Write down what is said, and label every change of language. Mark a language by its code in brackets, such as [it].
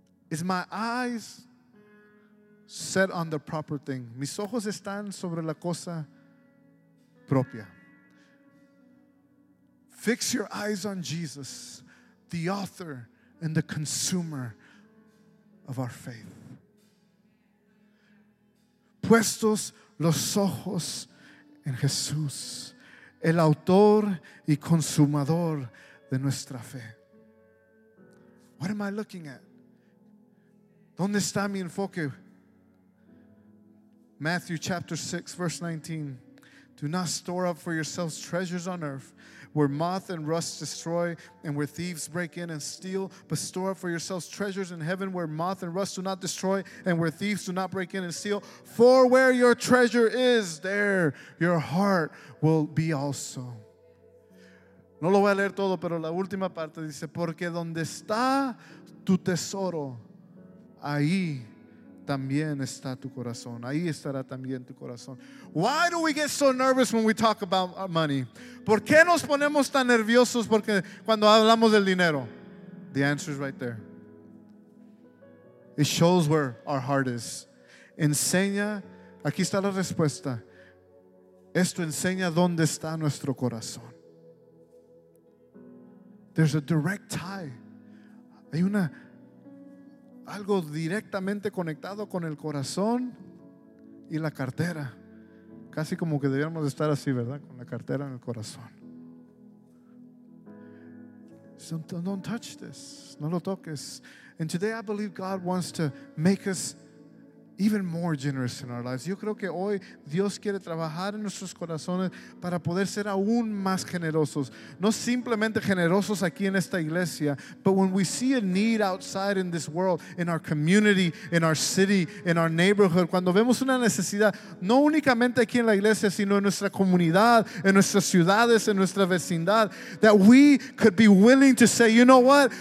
[en] Is my eyes set on the proper thing? [es] Mis ojos están sobre la cosa propia. [en] Fix your eyes on Jesus, the author and the consumer of our faith. [es] Puestos los ojos en Jesús, el autor y consumador de nuestra fe. [en] What am I looking at? [es] ¿Dónde está mi enfoque? [en] Matthew chapter 6, verse 19. Do not store up for yourselves treasures on earth, where moth and rust destroy and where thieves break in and steal, but store up for yourselves treasures in heaven where moth and rust do not destroy and where thieves do not break in and steal. For where your treasure is, there your heart will be also. [es] No lo voy a leer todo, pero la última parte dice, porque donde está tu tesoro, ahí también está tu corazón. Ahí estará también tu corazón. [en] Why do we get so nervous when we talk about our money? [es] ¿Por qué nos ponemos tan nerviosos porque cuando hablamos del dinero? [en] The answer is right there. It shows where our heart is. [es] Enseña, aquí está la respuesta. Esto enseña dónde está nuestro corazón. [en] There's a direct tie. [es] Hay una algo directamente conectado con el corazón y la cartera. Casi como que debiéramos estar así, ¿verdad? Con la cartera en el corazón. [en] So don't touch this. [es] No lo toques. [en] And today I believe God wants to make us even more generous in our lives. [es] Yo creo que hoy Dios quiere trabajar en nuestros corazones para poder ser aún más generosos. No simplemente generosos aquí en esta iglesia, [en] but when we see a need outside in this world, in our community, in our city, in our neighborhood, [es] cuando vemos una necesidad, no únicamente aquí en la iglesia, sino en nuestra comunidad, en nuestras ciudades, en nuestra vecindad, [en] that we could be willing to say, you know what?